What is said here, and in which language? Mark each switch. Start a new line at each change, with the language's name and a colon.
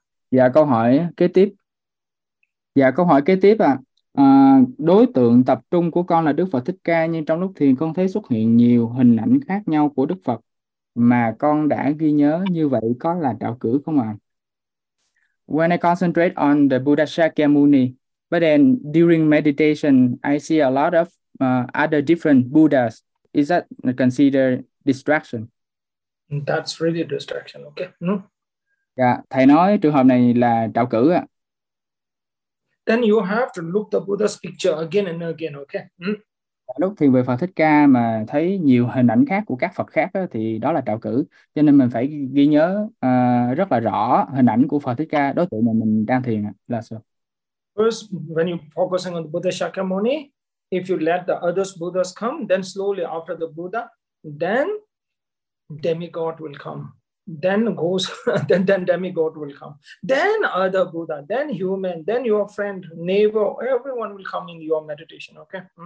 Vietnamese: Dạ, câu hỏi kế tiếp. Dạ, câu hỏi kế tiếp ạ. Đối tượng tập trung của con là Đức Phật Thích Ca, nhưng trong lúc thiền con thấy xuất hiện nhiều hình ảnh khác nhau của Đức Phật mà con đã ghi nhớ, như vậy có là trạo cử không ạ?
English: When I concentrate on the Buddha Shakyamuni, but then during meditation, I see a lot of other different Buddhas. Is that considered distraction? That's really a distraction, okay?
Vietnamese: Dạ, thầy nói trường hợp này là trạo cử ạ.
English: Then you have to look the Buddha's picture again and again, okay?
Vietnamese: Lúc thiền về Phật Thích Ca mà thấy nhiều hình ảnh khác của các Phật khác đó, thì đó là trạo cử, cho nên mình phải ghi nhớ rất là rõ hình ảnh của Phật Thích Ca, đối tượng mà mình đang thiền là sao.
English: First, when you're focusing on the Buddha Shakyamuni, if you let the other Buddhas come, then slowly after the Buddha, then demigod will come, then ghost, then demigod will come, then other Buddha, then human, then your friend, neighbor, everyone will come in your meditation, okay?